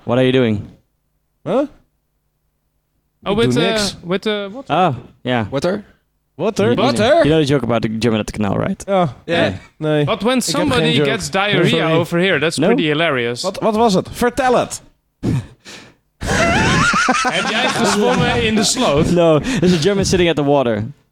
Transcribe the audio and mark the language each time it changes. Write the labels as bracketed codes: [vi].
[en] What are you doing? Huh? Oh, with the water. Ah, yeah. Water. You know the joke about the German at the canal, right? Yeah. Yeah. Nee. But when somebody gets diarrhea over here, that's pretty hilarious. What was it? [nl] Vertel het. Heb jij gezwommen in de sloot? [en] No, there's a German sitting at the water.